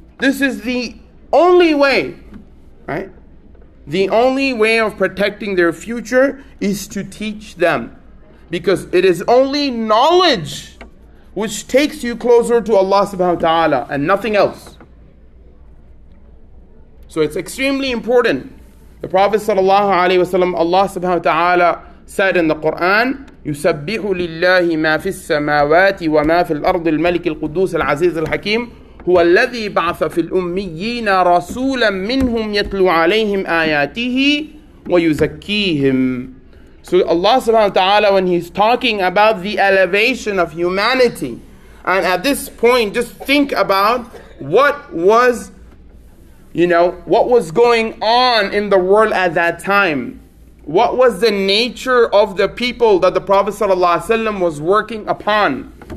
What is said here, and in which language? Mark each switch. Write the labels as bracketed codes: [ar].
[en] This is the only way, right? The only way of protecting their future is to teach them. Because it is only knowledge which takes you closer to Allah subhanahu wa ta'ala and nothing else. So it's extremely important. The Prophet sallallahu alaihi wasallam, Allah subhanahu wa ta'ala said in the Quran, [ar] يُسَبِّحُ لِلَّهِ مَا فِي السَّمَاوَاتِ وَمَا فِي الْأَرْضِ الْمَلِكِ الْقُدُّوسِ الْعَزِيزِ الْحَكِيمِ هُوَ الَّذِي بَعْثَ فِي الْأُمِّيِّينَ رَسُولًا مِّنْهُمْ يَتْلُو عَلَيْهِمْ آيَاتِهِ وَيُزَكِّيهِمْ. [en] So Allah subhanahu wa ta'ala, when He's talking about the elevation of humanity, and at this point, just think about what was, you know, what was going on in the world at that time. What was the nature of the people that the Prophet sallallahu alaihi wasallam was working upon?